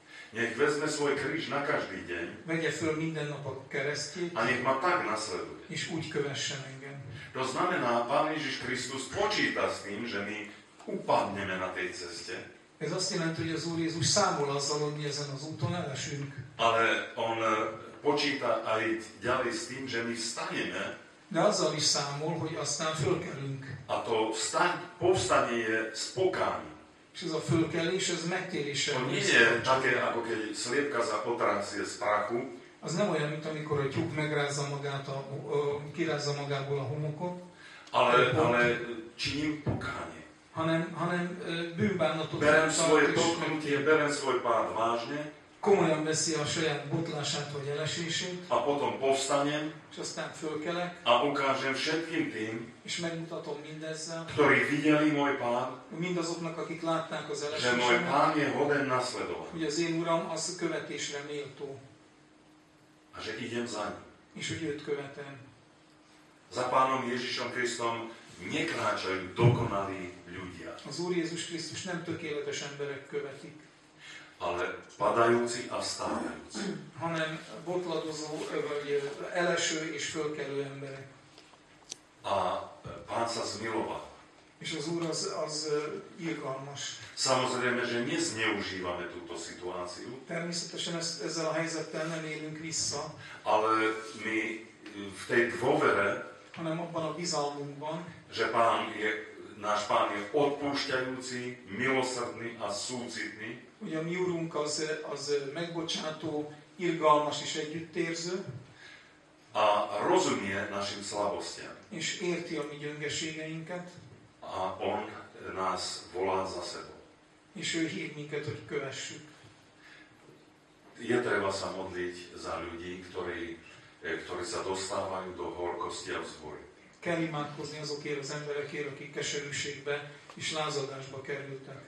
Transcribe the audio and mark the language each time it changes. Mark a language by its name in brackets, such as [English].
[Slovak] Nech vezme svoj kríž na každý deň. [Hungarian] Vegye föl minden nap a keresztjét. [Slovak] A nech ma tak nasleduje. [Hungarian] És úgy kövessen engem. [Slovak] To znamená, Pán Ježiš Kristus počíta s tým, že my upadneme na tej ceste. [Hungarian] Ez azt jelenti, hogy az Úr Jézus számol azzal, hogy mi ezen az úton elesünk. [Slovak] Ale on počíta aj ďalej s tým, že my vstaneme. [Hungarian] De azzal is számol, hogy aztán fölkelünk. [Slovak] A to povstanie je s pokáním. [Hungarian] És ez a fölkelés, ez megtéréssel. [Slovak] To nie je také, ako keď sliepka za potrancie z prachu. [Hungarian] Az nem olyan, mint amikor a tyúk megrázza magát, kirázza magából a homokot. [Slovak] Ale činím pokánie. [Hungarian] Hanem bűnbánatot. [Slovak] Berem svoje doknutie, berem svoj pád vážne. [Hungarian] Komolyan veszi a saját botlását vagy elesését. [Slovak] A potom povstanem. [Hungarian] És aztán fölkelek. [Slovak] A ukážem všetkým tým. [Hungarian] És megmutatom mindezzel. [Slovak] Ktorí videli môj pán. [Hungarian] Mindazoknak, akik látták az elesését. [Slovak] Že môj pán je hoden nasledovať. [Hungarian] Hogy az én uram az követésre méltó. [Slovak] A že idem za ním. [Hungarian] És hogy őt követem. [Slovak] Za Pánom Ježišom Kristom nekráčajú dokonalí ľudia. [Hungarian] Az Úr Jézus Krisztus nem tökéletes emberek követik. [Slovak] Ale padajúci a vstávajúci. [Hungarian] Hanem botladozó, vagy eleső és fölkelő emberek. [Slovak] A Pán sa zmiloval. [Hungarian] És az Úr az irgalmas. [Slovak] Samozrejme, že my zneužívame túto situáciu. [Hungarian] Természetesen ezzel a helyzettel nem élünk vissza. [Slovak] Ale my v tej dôvere, [Hungarian] hanem abban a bizalmunkban, [Slovak] že Pán je, náš Pán je odpúšťajúci, milosrdný a súcitný. [Hungarian] Ugye a mi úrunk az megbocsátó, irgalmas és együttérző. [Slovak] A rozumie našim slabostiam. [Hungarian] És érti a mi gyöngeségeinket. [Slovak] A on nás volá za sebou. [Hungarian] És ő hív minket, hogy kövessük. [Slovak] Je treba sa modliť za ľudí, ktorí sa dostávajú do horkosti a vzbúry. [Hungarian] Kell imádkozni azokért az emberekért, akik keserűségbe és lázadásba kerültek.